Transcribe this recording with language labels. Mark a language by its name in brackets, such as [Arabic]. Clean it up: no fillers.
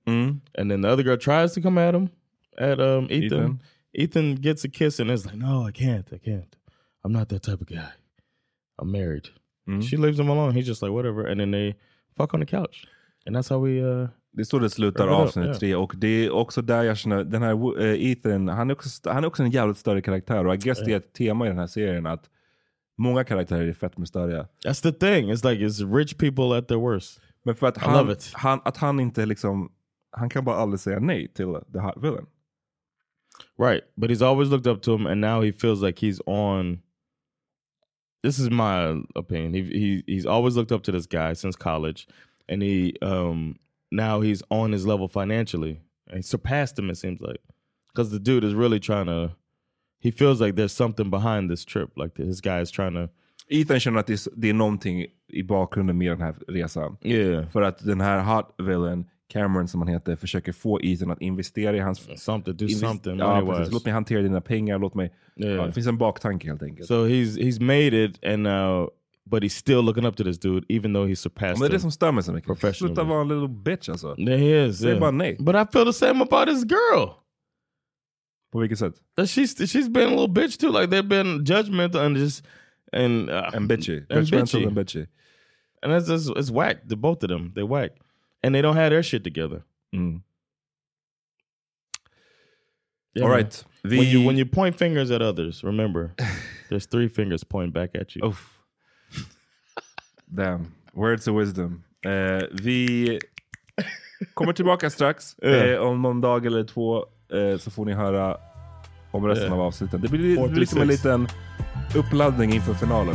[English] And then the other girl tries to come at Ethan. Ethan gets a kiss and is like, "No, I can't. I'm not that type of guy. I'm married." She leaves him alone. He's just like, "Whatever." And then they fuck on the couch. And that's how we, [Swedish] det är så det slutar avsnitt 3. Och det är också där jag känner, den här Ethan, han är också en jävligt större karaktär. Och [English] I guess [Swedish] det är ett tema i den här serien att många karaktärer är fett med större. [English] That's the thing. It's like, it's rich people at their worst. [Swedish] Men för att han inte liksom, han kan bara aldrig säga nej till [English] the hot villain. Right. But he's always looked up to him and now he feels like he's on, this is my opinion. He's always looked up to this guy since college. And he, now he's on his level financially. And he surpassed him, it seems like. Because the dude is really trying to, he feels like there's something behind this trip. Like this guy is trying to [Swedish] Ethan känner att det är någonting i bakgrunden med den här resan. [English] Yeah. [Swedish] För att den här hot villain, Cameron som han heter, försöker få Ethan att investera i hans... [English] Something, do something. [Swedish] Ja, precis. Låt mig hantera dina pengar, låt mig... Yeah. Ja, det finns en baktanke helt enkelt. [English] So he's made it and now... But he's still looking up to this dude, even though he surpassed [Swedish] him. Men det är som stämmer så mycket. Professionally. Sluta vara en [English] little bitch [Swedish] alltså. [English] Yeah, he is. [Swedish] Säg bara nej. [English] But I feel the same about this girl. [Swedish] På vilket sätt? [English] That she's been a little bitch too. Like they've been judgmental and just... And bitchy. And bitchy. And it's whack. The both of them. They whack. And they don't have their shit together. Mm. Yeah, all right. When you point fingers at others, remember, there's three fingers pointing back at you. Oof. Damn. Words of wisdom. [Swedish] Vi kommer tillbaka strax. Om någon dag eller två så får ni höra om resten av avsnittet. Det blir liksom en liten uppladdning inför finalen.